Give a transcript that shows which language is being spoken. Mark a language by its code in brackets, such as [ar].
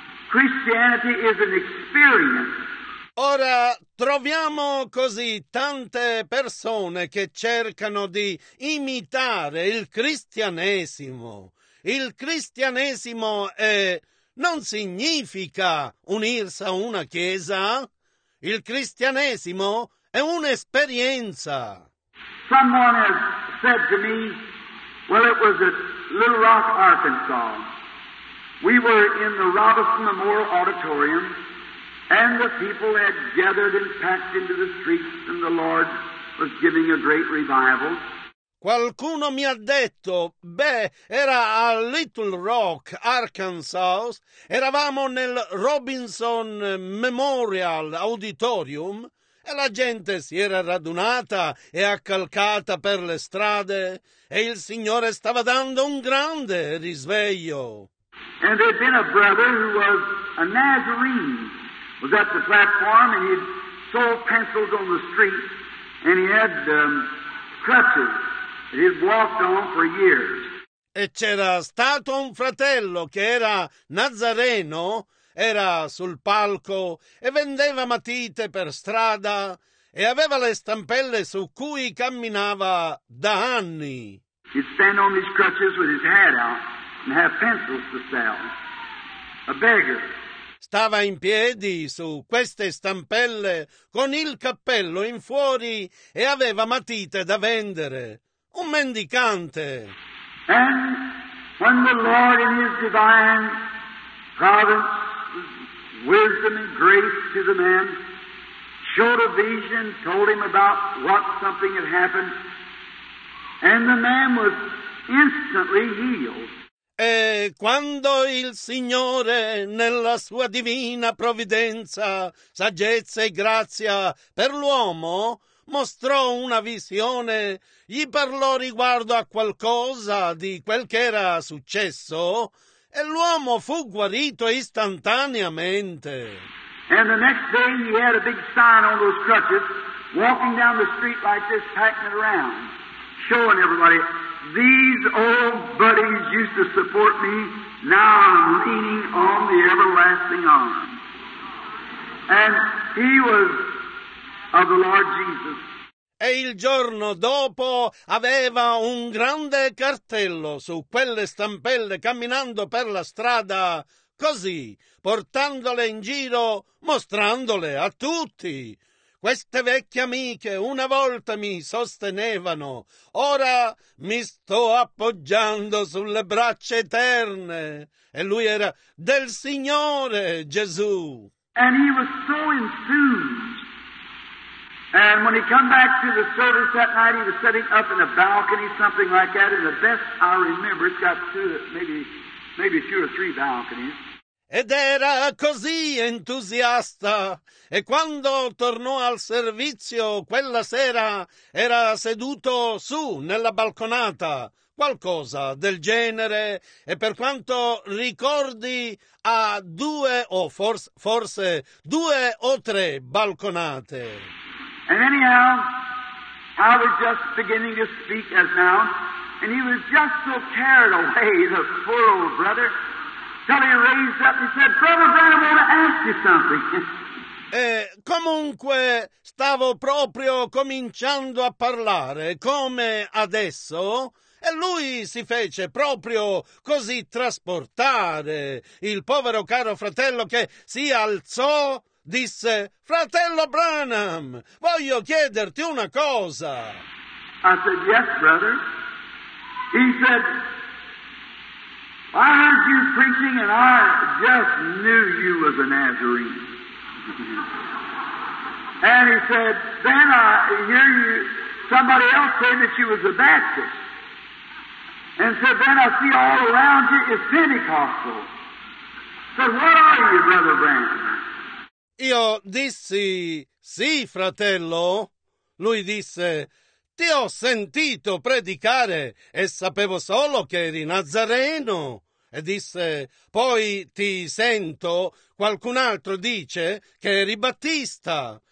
[en] Christianity is an experience. [it] Ora troviamo così tante persone che cercano di imitare il cristianesimo. Il cristianesimo non significa unirsi a una chiesa. Il cristianesimo è un'esperienza. [en] Someone has said to me, well, it was at Little Rock, Arkansas. We were in the Robison Memorial Auditorium, and the people had gathered and packed into the streets, and the Lord was giving a great revival. [it] Qualcuno mi ha detto, era a Little Rock, Arkansas, eravamo nel Robinson Memorial Auditorium, e la gente si era radunata e accalcata per le strade, e il Signore stava dando un grande risveglio. [en] And there had been a brother who was a Nazarene, was at the platform, and he had sold pencils on the street, and he had crutches. He's walked on for years. [it] E c'era stato un fratello che era Nazareno, era sul palco e vendeva matite per strada e aveva le stampelle su cui camminava da anni. [en] He'd stand on his crutches with his hat out and have pencils to sell. A beggar. [it] Stava in piedi su queste stampelle con il cappello in fuori e aveva matite da vendere. Un mendicante. [en] And when the Lord in his divine providence, wisdom and grace to the man, showed a vision, told him about what something had happened, and the man was instantly healed. [it] E quando il Signore, nella sua divina provvidenza, saggezza e grazia per l'uomo, mostrò una visione, gli parlò riguardo a qualcosa di quel che era successo, e l'uomo fu guarito istantaneamente. [en] And the next day he had a big sign on those crutches, walking down the street like this, packing it around, showing everybody, these old buddies used to support me, now I'm leaning on the everlasting arms. And he was of the Lord Jesus. [it] E il giorno dopo aveva un grande cartello su quelle stampelle camminando per la strada, così, portandole in giro, mostrandole a tutti. Queste vecchie amiche una volta mi sostenevano, ora mi sto appoggiando sulle braccia eterne. E lui era del Signore Gesù. [en] And he was so enthused. And when he come back to the service that night, he was sitting up in a balcony, something like that. And the best I remember, it's got two or three balconies. [it] Ed era così entusiasta. E quando tornò al servizio quella sera, era seduto su nella balconata, qualcosa del genere. E per quanto ricordi, a due o forse due o tre balconate. [en] And anyhow, I was just beginning to speak as now, and he was just so carried away, the poor old brother, till he raised up and said, Brother Branham, I want to ask you something. [it] E comunque stavo proprio cominciando a parlare, come adesso, e lui si fece proprio così trasportare, il povero caro fratello che si alzò. Disse, fratello Branham, voglio chiederti una cosa. [en] I said, yes, brother. He said, I heard you preaching and I just knew you was a Nazarene. And he said, then I hear you Somebody else said that you was a Baptist. And said, then I see all around you is Pentecostal. Said, what are you, Brother Branham? [it] Io dissi, sì, fratello. Lui disse, ti ho sentito predicare e sapevo solo che eri Nazareno. E disse, poi ti sento, qualcun altro dice che eri Battista.